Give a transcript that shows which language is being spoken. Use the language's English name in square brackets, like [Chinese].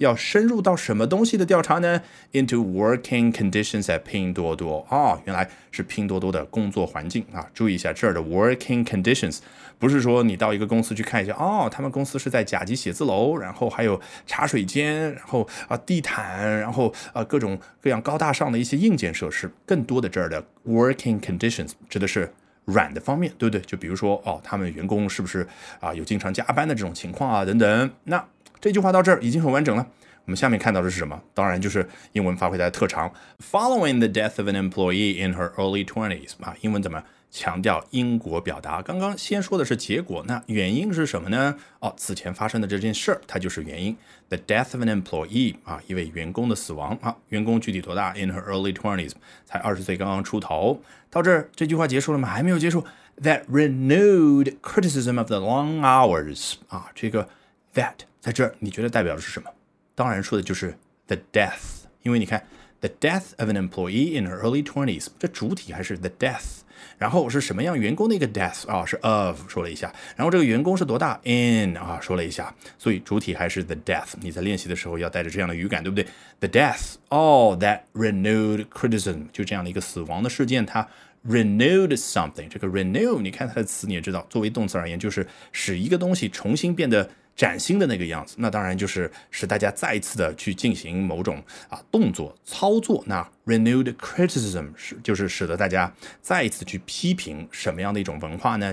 [Chinese] 要深入到什么东西的调查呢？ [English] into working conditions at [Chinese] 拼多多原来是拼多多的工作环境注意一下这儿的 working conditions， 不是说你到一个公司去看一下他们公司是在甲级写字楼，然后还有茶水间，然后地毯，然后各种各样高大上的一些硬件设施。更多的这儿的 working conditions 指的是软的方面，对不对？就比如说他们员工是不是有经常加班的这种情况等等。那这句话到这儿已经很完整了，我们下面看到的是什么？当然就是英文发挥它的特长。 [English] Following the death of an employee in her early 20s [Chinese] 英文怎么强调因果表达？刚刚先说的是结果，那原因是什么呢？此前发生的这件事它就是原因。 [English] The death of an employee [Chinese] 一位员工的死亡员工具体多大？ [English] In her early 20s [Chinese] 才20岁刚刚出头。到这儿这句话结束了吗？还没有结束。 [English] That renewed criticism of the long hours [Chinese] 这个 that 在这儿你觉得代表的是什么？当然说的就是 the death， 因为你看 [English] The death of an employee in her early 20s [Chinese] 这主体还是 the death，然后是什么样员工的一个 death 是 of 说了一下，然后这个员工是多大 in 说了一下，所以主体还是 the death。你在练习的时候要带着这样的语感，对不对？ [English] the death that renewed criticism [Chinese] 就这样的一个死亡的事件，它 renewed something。这个 renew 你看它的词你也知道，作为动词而言就是使一个东西重新变得崭新的那个样子，那当然就是使大家再次的去进行某种动作操作。那 [English] renewed criticism [Chinese] 就是使得大家再次去批评什么样的一种文化呢？